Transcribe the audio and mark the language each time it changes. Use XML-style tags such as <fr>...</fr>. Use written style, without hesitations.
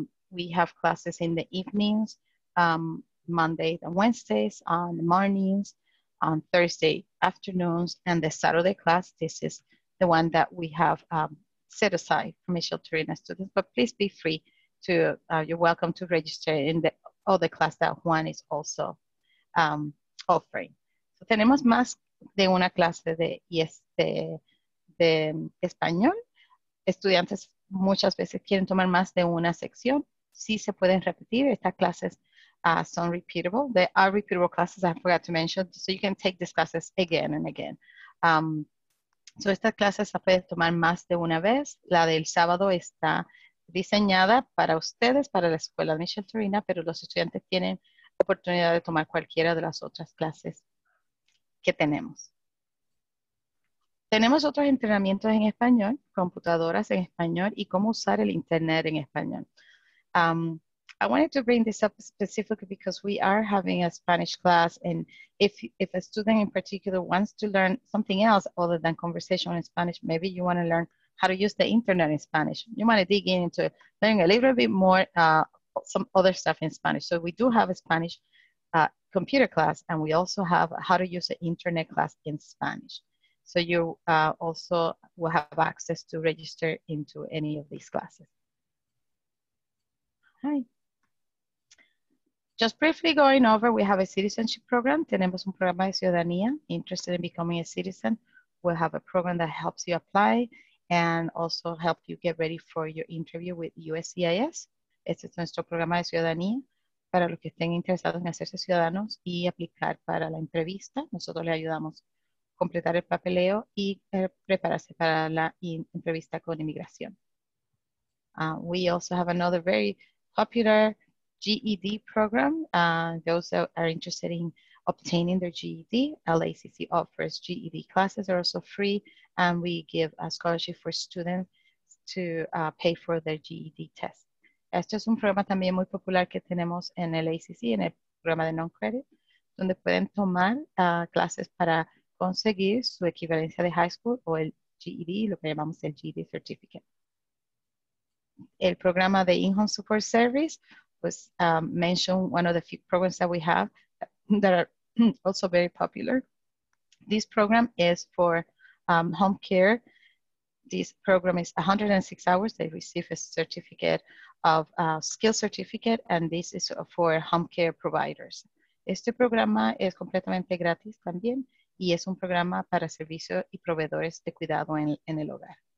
<en>We have classes in the evenings, Monday and Wednesdays, on the mornings, on Thursday afternoons, and the Saturday class. This is the one that we have set aside for Micheltorena students, but please be free to, you're welcome to register in the other class that Juan is also offering.</en> <es>So tenemos más de una clase de español. Estudiantes muchas veces quieren tomar más de una sección. Sí se pueden repetir estas clases.</es> <en>Some repeatable. There are repeatable classes I forgot to mention, so you can take these classes again and again.</en> <es>So estas clases se pueden tomar más de una vez. La del sábado está diseñada para ustedes, para la escuela de Micheltorena, pero los estudiantes tienen oportunidad de tomar cualquiera de las otras clases que tenemos. Tenemos otros entrenamientos en español, computadoras en español y cómo usar el internet en español.</es> <en>I wanted to bring this up specifically because we are having a Spanish class, and if a student in particular wants to learn something else other than conversation in Spanish, maybe you want to learn how to use the internet in Spanish. You want to dig into learning a little bit more some other stuff in Spanish. So we do have a Spanish computer class, and we also have how to use the internet class in Spanish. So you also will have access to register into any of these classes. Hi. Just briefly going over, we have a citizenship program.</en> <es>Tenemos un programa de ciudadanía.</es> <en>Interested in becoming a citizen, we'll have a program that helps you apply and also help you get ready for your interview with USCIS.</en> <es>Este es nuestro programa de ciudadanía para los que estén interesados en hacerse ciudadanos y aplicar para la entrevista. Nosotros le ayudamos a completar el papeleo y prepararse para la entrevista con inmigración.</es> <en>We also have another very popular GED program. Those that are interested in obtaining their GED, LACC offers GED classes are also free, and we give a scholarship for students to pay for their GED test.</en> <es>Este es un programa también muy popular que tenemos en el ACC, en el programa de non-credit, donde pueden tomar clases para conseguir su equivalencia de high school o el GED, lo que llamamos el GED certificate. El programa de</es> <en>In-Home Support Service was mentioned, one of the few programs that we have that are also very popular. This program is for home care. This program is 106 hours. They receive a certificate of skill certificate, and this is for home care providers.</en> <es>Este programa es completamente gratis también, y es un programa para servicios y proveedores de cuidado en el hogar.</es>